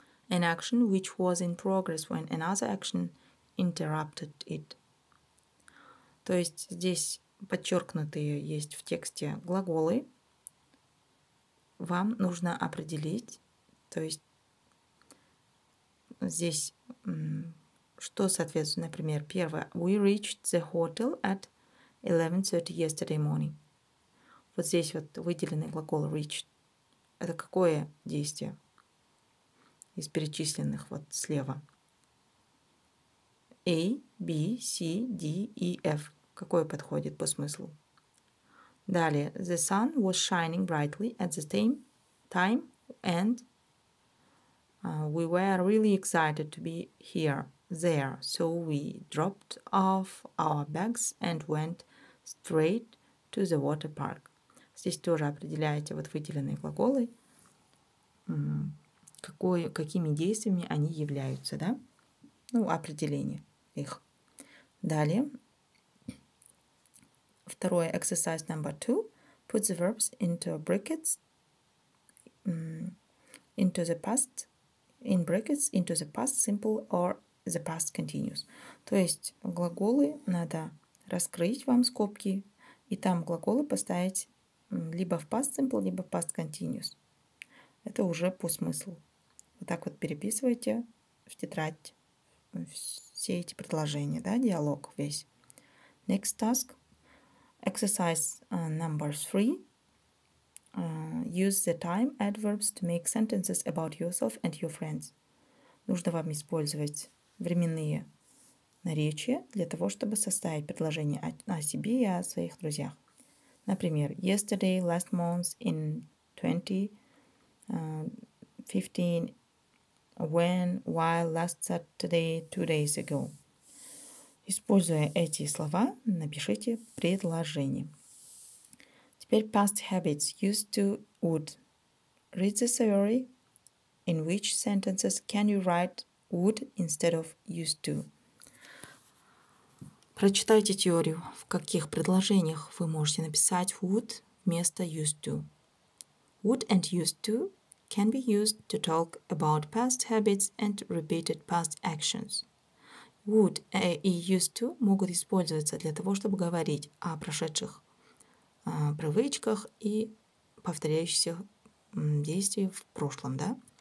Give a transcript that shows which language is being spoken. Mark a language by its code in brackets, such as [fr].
[en] An action which was in progress when another action interrupted it. [ru] То есть здесь подчеркнутые есть в тексте глаголы. Вам нужно определить, то есть здесь что соответствует, например, первое. [en] We reached the hotel at 11:30 yesterday morning. [ru] Вот здесь вот выделенный глагол reached. Это какое действие из перечисленных вот слева? [en] A, B, C, D, E, F. [ru] Какое подходит по смыслу? Далее. [en] The sun was shining brightly at the same time and we were really excited to be here, there. So we dropped off our bags and went straight to the water park. [ru] Здесь тоже определяете вот выделенные глаголы, какими действиями они являются, да? Ну, определение их. Далее. Второе, [en] exercise number two. Put the verbs into brackets, into the past, in brackets, into the past simple or the past continuous. [ru] То есть глаголы надо раскрыть вам скобки и там глаголы поставить либо в past simple, либо в past continuous. Это уже по смыслу. Вот так вот переписывайте в тетрадь все эти предложения, да, диалог весь. [en] Next task. Exercise number three. Use the time adverbs to make sentences about yourself and your friends. [ru] Нужно вам использовать временные наречия для того, чтобы составить предложение о себе и о своих друзьях. Например, [en] yesterday, last month, in 2015, when, while, last Saturday, two days ago. [ru] Используя эти слова, напишите предложение. Теперь [en] past habits used to would. Read the theory. In which sentences can you write would instead of used to? [ru] Прочитайте теорию, в каких предложениях вы можете написать would вместо used to. [en] Would and used to can be used to talk about past habits and repeated past actions. [ru] Would и used to могут использоваться для того, чтобы говорить о прошедших привычках и повторяющихся действиях в прошлом, да?